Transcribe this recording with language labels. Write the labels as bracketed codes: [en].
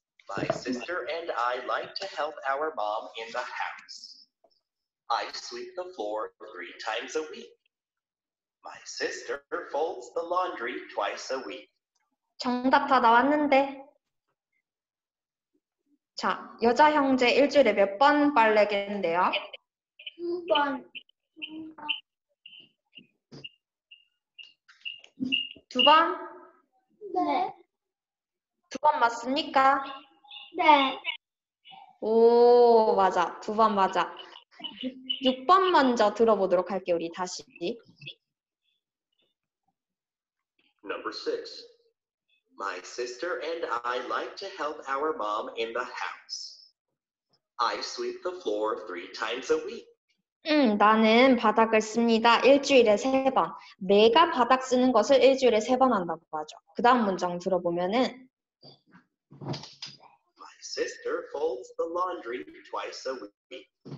[en] My sister and I like to help our mom in the house. I sweep the floor 3 times a week. My sister folds the laundry 2 times a week. [ko] 정답 다 나왔는데. 자, 여자 형제 일주일에 몇 번 빨래겠는데요? 2번. 두 번? 네. 두 번 맞습니까? 네. 오, 맞아. 두 번 맞아. 6번 먼저 들어보도록 할게요. 우리 다시. [en] Number 6. My sister and I like to help our mom in the house. I sweep the floor 3 times a week. [ko] 나는 바닥을 씁니다. 일주일에 3번. 내가 바닥 쓰는 것을 일주일에 3번 한다고 하죠. 그 다음 문장 들어보면은 [en] My sister folds the laundry 2 times a week.